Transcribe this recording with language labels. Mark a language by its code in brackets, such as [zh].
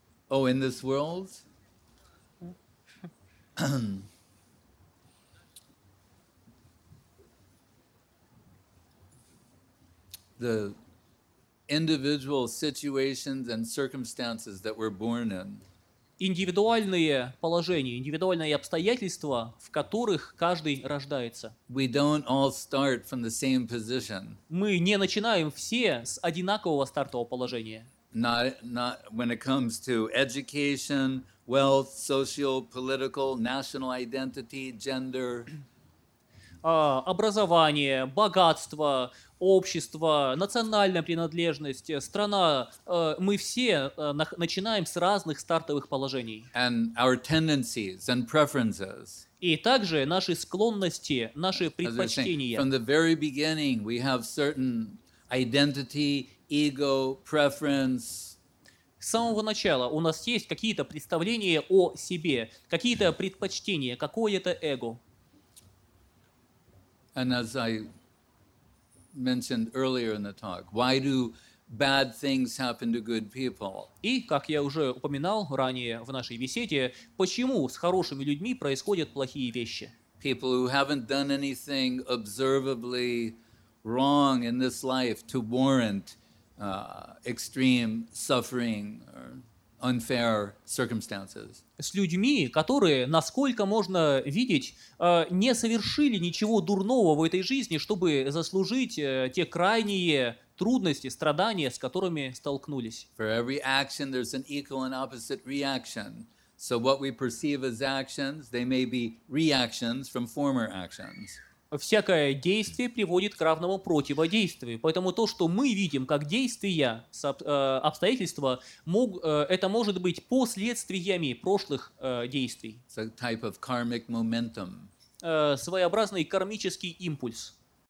[en] Oh, in this world? The individual situations and circumstances that we're born in. [ru] Индивидуальные положения, индивидуальные обстоятельства, в которых каждый рождается. [en] We don't all start from the same position. [ru] Мы не начинаем все с одинакового стартового положения. [en] not when it comes to education, wealth, social, political, national identity, gender. [ru] Образование, богатство, общество, национальная принадлежность, страна, мы все начинаем с разных стартовых положений. [en] And our tendencies and preferences. [ru] И также наши склонности, наши предпочтения. [en] From the very beginning, we have certain identity, ego, preference. [ru] С самого начала у нас есть какие-то представления о себе, какие-то предпочтения, какое-то эго. [en] And as I mentioned earlier in the talk, why do bad things happen to good people? [ru] И как я уже упоминал ранее в нашей беседе, почему с хорошими людьми происходят плохие вещи? [en] People who haven't done anything observably wrong in this life to warrant extreme suffering or unfair circumstances. [ru] С людьми, которые, насколько можно видеть, не совершили ничего дурного в этой жизни, чтобы заслужить те крайние трудности, страдания, с которыми столкнулись. [en] For every action, there's an equal and opposite reaction. So what we perceive as actions, they may be reactions from former actions. [ru] Всякое действие приводит к равному противодействию. Поэтому то, что мы видим как действия, обстоятельства, это может быть последствиями прошлых действий. [en] Type of karmic momentum. [ru] Своеобразный кармический импульс.